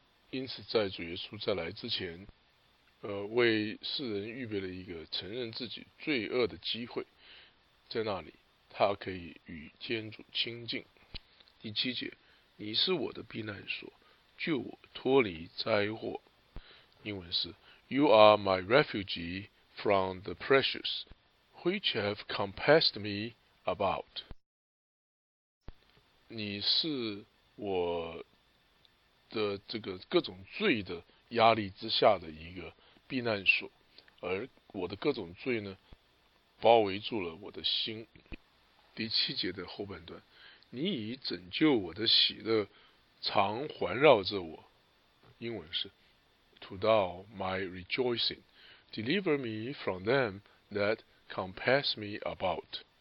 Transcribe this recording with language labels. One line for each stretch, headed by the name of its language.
Chinese: 因此，在主耶稣再来之前，为世人预备了一个承认自己罪恶的机会，在那里，他。他可以与天主亲近。第七节，你是我的避难所，救我脱离灾祸。英文是
English: You are my refuge from the pressures which have compassed me about。
Chinese: 你是我的这个各种罪的压力之下的一个避难所，而我的各种罪呢，包围住了我的心。第七节的后半段，你以拯救我的喜乐常环绕着我，英文是
English: To thou my rejoicing deliver me from them that compass me about。